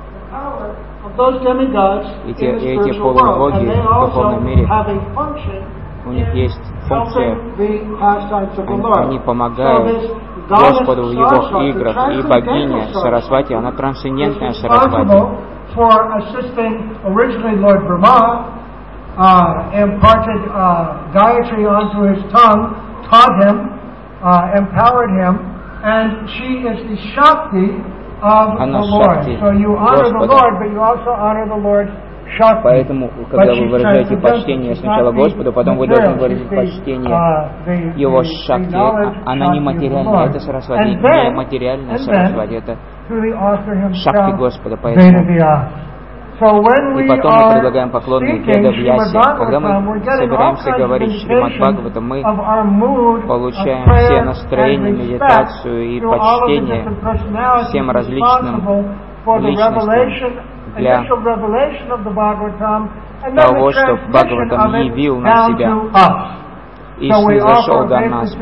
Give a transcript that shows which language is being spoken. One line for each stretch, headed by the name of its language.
Russian: Эти полубоги в духовном мире, у них есть функция, они помогают Господу в его играх, и богиня Сарасвати, она трансцендентная Сарасвати.
English: Imparted Gayatri onto his tongue, taught him, empowered him, and she is the Shakti of
Russian: Она
English: the Lord.
Russian: Шакти,
English: so you honor
Russian: Господа.
English: The Lord, but you also honor the Lord's Shakti.
Russian: Поэтому, когда вы выражаете почтение сначала Господу, потом вы должны выразить почтение его Шакти. Она не материальная, это Сарасвати. Не материальная Сарасвати, это Шакти Господа. Поэтому... И потом мы предлагаем поклон Ведавьясе. Когда мы собираемся говорить Шримад Бхагаватам, мы получаем все настроения, медитацию и почтение всем различным личностям для того, чтобы Бхагаватам явил на себя и снизошел до нас.